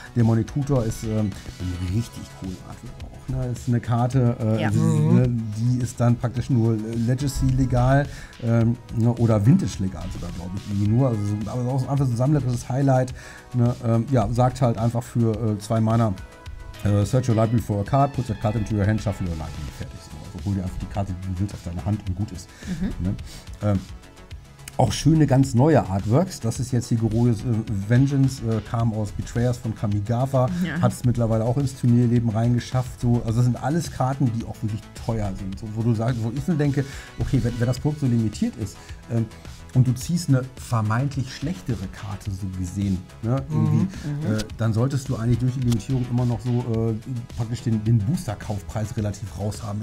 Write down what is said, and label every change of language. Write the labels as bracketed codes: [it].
[de] Der Monitutor ist eine richtig coole Art auch. Ne? Ist eine Karte, die ist dann praktisch nur Legacy legal oder Vintage legal sogar, glaube ich, irgendwie nur. Also, aber auch einfach so ein sammlerisches Highlight. Ne? Sagt halt einfach für 2 Mana. [en] Search your library for a card, put that card into your hand, shuffle your library, fertig. [de] Also hol dir einfach die Karte, die du willst, auf deine Hand und gut ist. Mhm. Ne? Auch schöne, ganz neue Artworks. Das ist jetzt hier Gerudes Vengeance, kam aus Betrayers von Kamigawa, hat es mittlerweile auch ins Turnierleben reingeschafft. So, also das sind alles Karten, die auch wirklich teuer sind. So, wo ich so denke, okay, wenn das Produkt so limitiert ist, und du ziehst eine vermeintlich schlechtere Karte, so gesehen, ne, irgendwie, dann solltest du eigentlich durch die Limitierung immer noch so praktisch den Booster-Kaufpreis relativ raus haben.